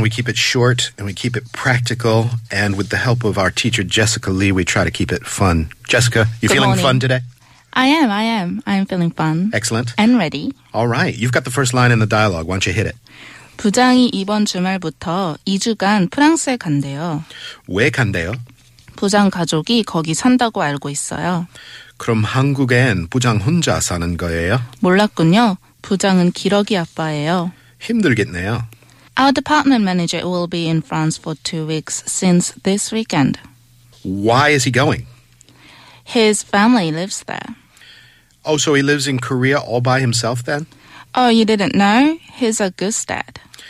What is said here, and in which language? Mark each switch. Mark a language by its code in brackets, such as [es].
[en] We keep it short and we keep it practical. And with the help of our teacher, Jessica Lee, we try to keep it fun. Jessica, you feeling fun today? I am. I'm feeling fun. Excellent. And ready. All right. You've got the first line in the dialogue. Why don't you hit it? [ko] 부장이 이번 주말부터 2주간 프랑스에 간대요. 왜 간대요? 부장 가족이 거기 산다고 알고 있어요. 그럼 한국엔 부장 혼자 사는 거예요? 몰랐군요. 부장은 기러기 아빠예요. 힘들겠네요. [en] Our department manager will be in France for 2 weeks since this weekend. Why is he going? His family lives there. Oh, so he lives in Korea all by himself then? Oh, you didn't know? He's a goose dad.